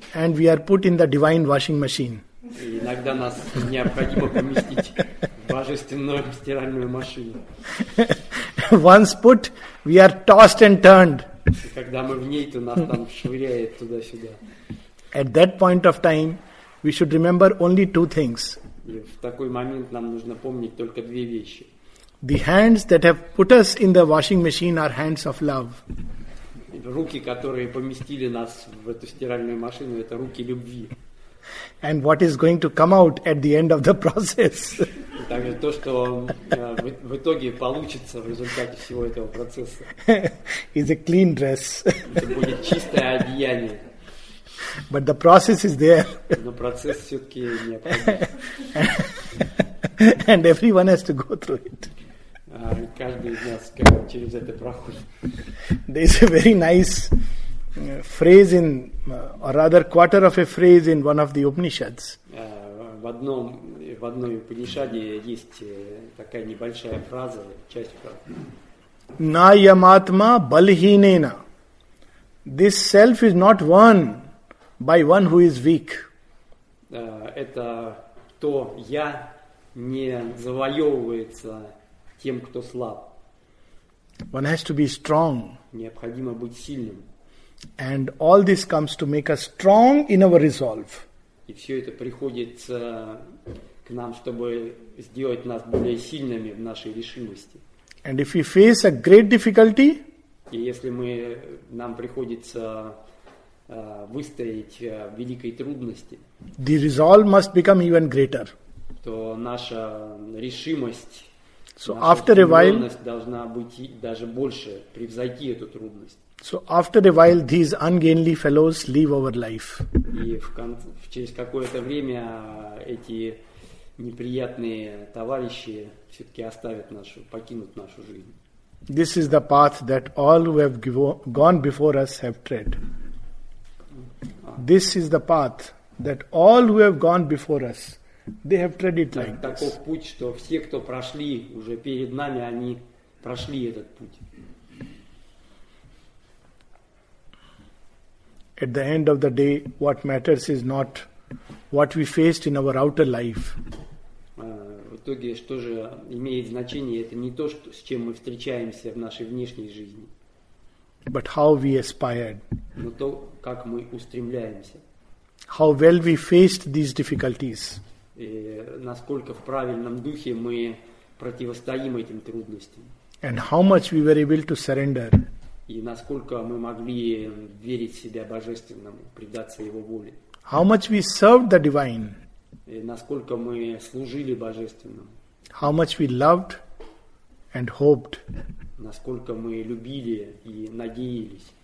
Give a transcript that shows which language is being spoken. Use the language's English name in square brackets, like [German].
[English] And we are put in the divine washing machine. [Russian] Иногда нас необходимо поместить в божественную стиральную машину. [English] Once put, we are tossed and turned. [Russian] Когда мы в ней, то нас там швыряет туда-сюда. [English] At that point of time, we should remember only two things. [Russian] В такой момент нам нужно помнить только две вещи. [English] The hands that have put us in the washing machine are hands of love. [Russian] Руки, которые поместили нас в эту стиральную машину, это руки любви. [English] And what is going to come out at the end of the process? [Russian] Также то, что в итоге получится в результате всего этого процесса. [English] Is a clean dress. [Russian] Это будет чистое одеяние. [English] But the process is there. [Russian] Но процесс все-таки необходим. [English] And everyone has to go through it. [Russian] Каждый из нас через это проходит. [English] There is a very nice phrase in, or rather quarter of a phrase in one of the Upanishads. [Russian] В одной Упанишаде есть такая небольшая фраза, часть фразы. [Sanskrit] Na yamatma balhinena. [English] This self is not won by one who is weak. [Russian] Это то я не завоевывается тем, кто слаб. [English] One has to be strong. [Russian] Необходимо быть сильным. [English] And all this comes to make us strong in our resolve. [Russian] И все это приходит к нам, чтобы сделать нас более сильными в нашей решимости. [English] And if we face a great difficulty, [Russian] и если нам приходится выстоять великой трудности, [English] the resolve must become even greater. [Russian] То наша решимость, [English] so after a while, [Russian] должна быть даже больше, превзойти эту трудность. [English] So after a while, these ungainly fellows leave our life. [Russian] И через какое-то время эти неприятные товарищи все-таки оставят нашу, покинут нашу жизнь. [English] This is the path that all who have gone before us have tread. This is the path that all who have gone before us, they have tread it like this. [Russian] Таков путь, что все, кто прошли уже перед нами, они прошли этот путь. [English] At the end of the day, what matters is not what we faced in our outer life. [Russian] В итоге, что же имеет значение, это не то, с чем мы встречаемся в нашей внешней жизни. [English] But how we aspired. [Russian] Но то, как мы устремляемся. [English] How well we faced these difficulties. [Russian] И насколько в правильном духе мы противостоим этим трудностям. [English] And how much we were able to surrender. [Russian] И насколько мы могли верить себя божественному, предаться его воле. [English] How much we served the divine. [Russian] И насколько мы служили божественному. [English] How much we loved and hoped. [Russian] Насколько мы любили и надеялись.